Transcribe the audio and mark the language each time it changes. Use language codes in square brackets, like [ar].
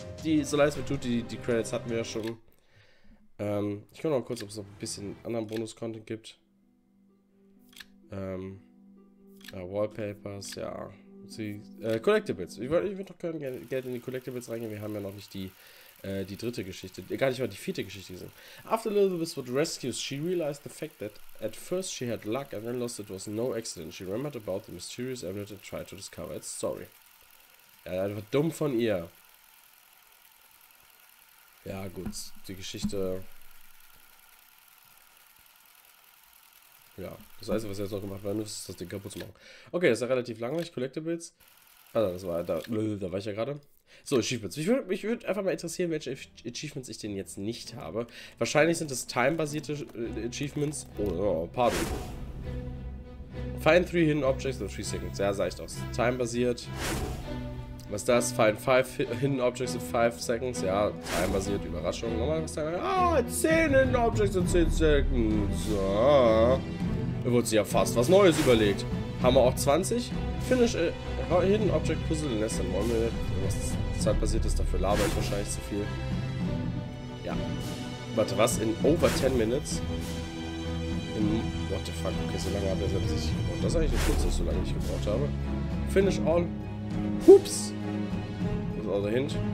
[de] Die, so leid es mir tut, die Credits hatten wir ja schon. Ich guck noch kurz, ob es noch ein bisschen anderen Bonus-Content gibt. Wallpapers, ja. Collectibles. Ich würde doch gerne in die Collectibles reingehen. Wir haben ja noch nicht die dritte Geschichte. Gar nicht mal die vierte Geschichte gesehen. [en] After Elizabeth was rescued, she realized the fact that at first she had luck and then lost it was no accident. She remembered about the mysterious amulet and tried to discover its story. [de] Ja, einfach dumm von ihr. Ja, gut, die Geschichte. Ja, das heißt, was jetzt noch gemacht werden muss, ist das Ding kaputt zu machen. Okay, das ist ja relativ langweilig. Collectibles. Also, das war. Da war ich ja gerade. So, Achievements. Mich würde einfach mal interessieren, welche Achievements ich denn jetzt nicht habe. Wahrscheinlich sind das time-basierte Achievements. Oh, pardon. [en] Find 3 hidden objects in 3 seconds. [de] Ja, sah ich doch. Time-basiert. Was ist das? [en] Find 5 hidden objects in 5 seconds. [de] Ja, time-basiert. Überraschung. Nochmal was time. [en] Ah, 10 hidden objects in 10 seconds. Ah. [de] Da wurde sich ja fast was Neues überlegt. Haben wir auch 20? [en] Finish a hidden object puzzle in less than 1 minute. [de] Was zeitbasiert ist, dafür labere ich wahrscheinlich zu viel. Ja. Warte, was? [en] In over 10 minutes? In. What the fuck? [de] Okay, so lange habe ich selbst nicht gebraucht. Das ist eigentlich eine Kurze, dass ich so lange nicht gebraucht habe. [en] Finish all. [de] Hups! Was auch dahin?